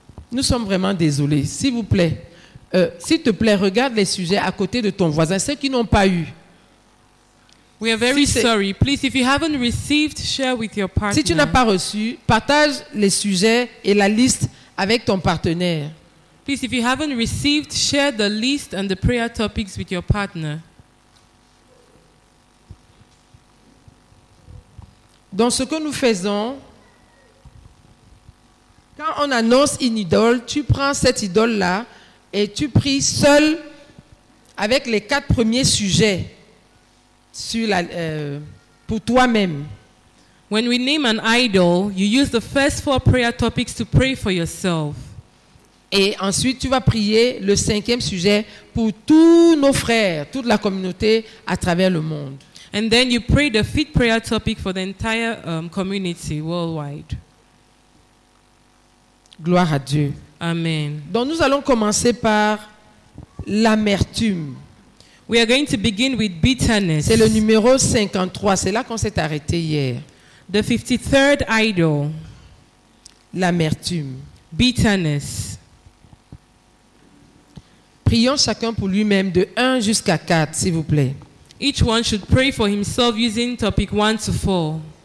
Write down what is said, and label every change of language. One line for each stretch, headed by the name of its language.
French: Nous sommes vraiment désolés. S'il vous plaît, regarde les sujets à côté de ton voisin, ceux qui n'ont pas eu.
English: We are very sorry. Please, if you haven't received, share with your partner.
French: Si tu n'as pas reçu, partage les sujets et la liste avec ton partenaire.
English: Please, if you haven't received, share the list and the prayer topics with your partner.
French: Donc, ce que nous faisons, quand on annonce une idole, tu prends cette idole-là et tu pries seul avec les quatre premiers sujets sur la, pour toi-même.
English: When we name an idol, you use the first four prayer topics to pray for yourself.
French: Et ensuite, tu vas prier le cinquième sujet pour tous nos frères, toute la communauté à travers le monde.
English: And then you pray the fifth prayer topic for the entire community worldwide.
French: Gloire à Dieu. Amen. Donc nous allons commencer par l'amertume.
English: We are going to begin with bitterness.
French: C'est le numéro 53. C'est là qu'on s'est arrêté hier.
English: The 53rd idol.
French: L'amertume.
English: Bitterness.
French: Prions chacun pour lui-même de 1 jusqu'à 4, s'il vous plaît.
English: Each one should pray for himself using topic 1 to 4.